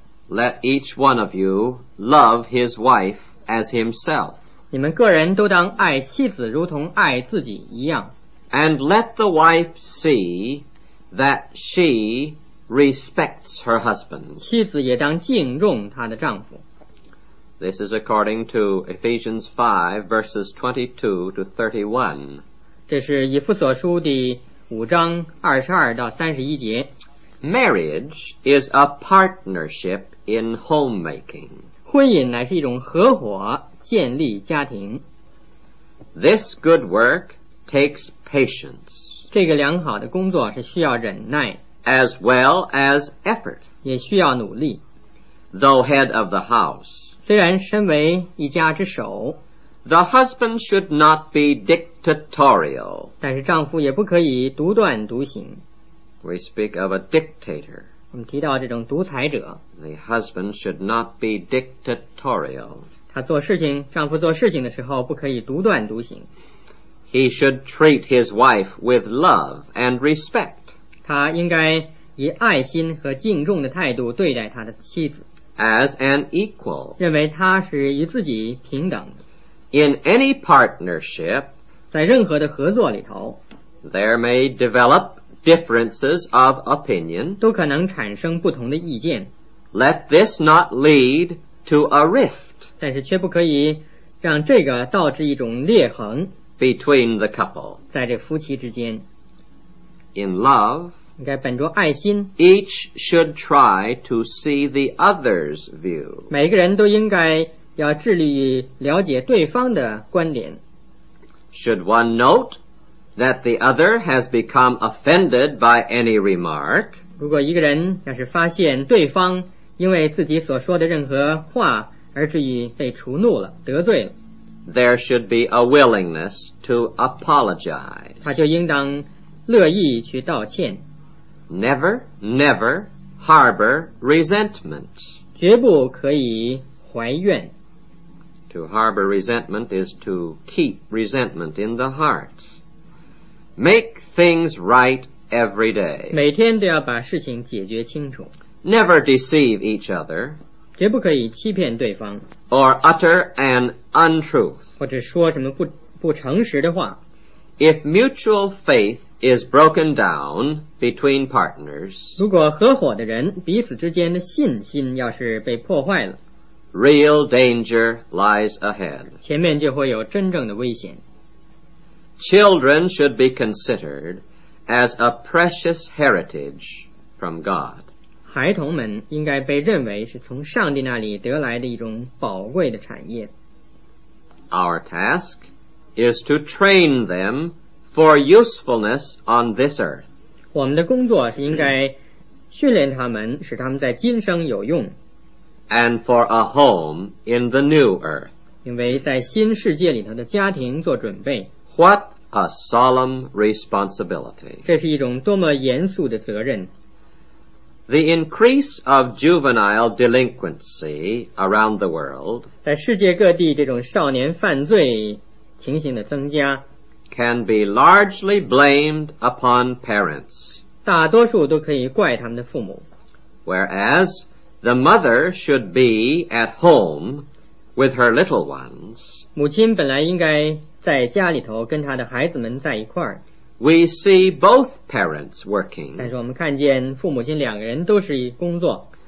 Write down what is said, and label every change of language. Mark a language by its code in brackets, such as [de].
[en] Let each one of you love his wife as himself. [zh] 你们个人都当爱妻子如同爱自己一样。 [en] And let the wife see that she respects her husband. [zh] 妻子也当敬重她的丈夫。 [en] This is according to Ephesians 5, verses 22 to 31. [zh] 这是以弗所书第五章22到31节。 [en] Marriage is a partnership in homemaking. [zh] 婚姻乃是一种合伙建立家庭。 [en] This good work takes patience. [zh] 这个良好的工作是需要忍耐。 [en] As well as effort. [zh] 也需要努力。 [en] Though head of the house, [zh] 虽然身为一家之首 [en] ，The husband should not be dictatorial. [zh] 但是丈夫也不可以独断独行。 [en] We speak of a dictator. [zh] 我们提到这种独裁者。 [en] The husband should not be dictatorial. [zh] 他做事情，丈夫做事情的时候不可以独断独行。 [en] He should treat his wife with love and respect. [zh] 他应该以爱心和敬重的态度对待他的妻子。 [en] As an equal, [zh] 认为他是与自己平等的。 [en] In any partnership, [zh] 在任何的合作里头 [en] ,there may develop differences of opinion, [zh] 都可能产生不同的意见。 [en] Let this not lead to a rift, [zh] 但是却不可以让这个导致一种裂痕 [en] ,between the couple, [zh] 在这夫妻之间。 [en] In love, [zh] 应该本着爱心 [en] Each should try to see the other's view [zh] 每个人都应该要致力于了解对方的观点 [en] Should one note that the other has become offended by any remark [zh] 如果一个人要是发现对方因为自己所说的任何话而至于被触怒了得罪了 [en] there should be a willingness to apologize. [zh] 他就应当乐意去道歉。 [en] Never, never harbor resentment. [zh] 绝不可以怀怨。 [en] To harbor resentment is to keep resentment in the heart. Make things right every day. [zh] 每天都要把事情解决清楚。 [en] Never deceive each other. [zh] 绝不可以欺骗对方。 [en] Or utter an untruth. [zh] 或者说什么 不诚实的话。 [en] If mutual faith is broken down between partners, [zh] 如果合伙的人彼此之间的信心要是被破坏了， [en] Real danger lies ahead. [zh] 前面就会有真正的危险。 [en] Children should be considered as a precious heritage from God. [zh] 孩童们应该被认为是从上帝那里得来的一种宝贵的产业。 [en] Our task is to train them for usefulness on this earth. [zh] 我们的工作是应该训练他们，使他们在今生有用。 [en] And for a home in the new earth. [zh] 因为在新世界里头的家庭做准备。 [en] What a solemn responsibility. [zh] 这是一种多么严肃的责任。 [en] The increase of juvenile delinquency around the world. [zh] 在世界各地这种少年犯罪情形的增加。 [en] Can be largely blamed upon parents. [zh] 大多数都可以怪他们的父母。 [en] Whereas,The mother should be at home with her little ones. [zh] 母亲本来应该在家里头跟她的孩子们在一块儿。 [en] We see both parents working. [zh] 但是我们看见父母亲两个人都是工作。